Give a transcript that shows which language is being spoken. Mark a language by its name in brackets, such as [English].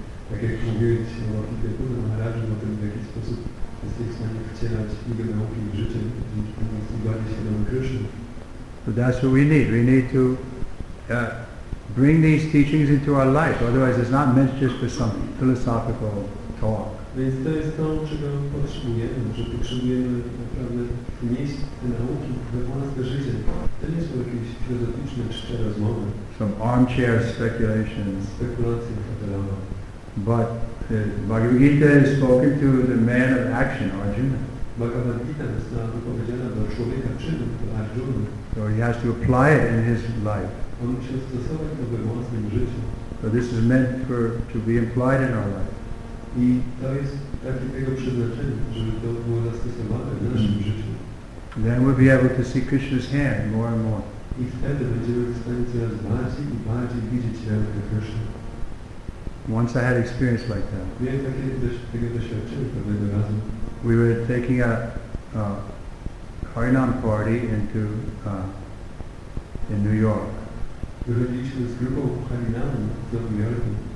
[Polish] Tak jak mówiłeś o Bhaktivedanta Maharaja, o tym, w jaki sposób jesteś w stanie wcielać jego nauki w życie, dzięki temu zbliżać się do Krishna. [English] So that's what we need. We need to bring these teachings into our life. Otherwise, it's not meant just for some philosophical talk. [Polish] Więc to jest to, czego potrzebujemy, że potrzebujemy naprawdę wnieść te nauki we własne życie. To nie są jakieś filozoficzne, czyste rozmowy. [English] Some armchair speculations. [Polish] Spekulacje fotelowe. [English] But Bhagavad Gita is spoken to the man of action, Arjuna. [Polish] Bhagavad Gita została wypowiedziana do człowieka czynu, do Arjuna. [English] So he has to apply it in his life. [Polish] On musi stosować to we własnym życiu. [English] So this is meant for to be implied in our life. [Polish] I to jest takiego przeznaczenia, żeby to było zastosowane w naszym życiu. [English] Then we'll be able to see Krishna's hand more and more. [Polish] I wtedy będziemy w stanie coraz bardziej i bardziej widzieć rękę Krishna. [English] Once I had experience like that. [Polish] Miałem takie doświadczenie pewnego razu. [English] We were taking a Harinam party into in New York. [Polish] Wychodziliśmy z grupą Harinam do New Yorku.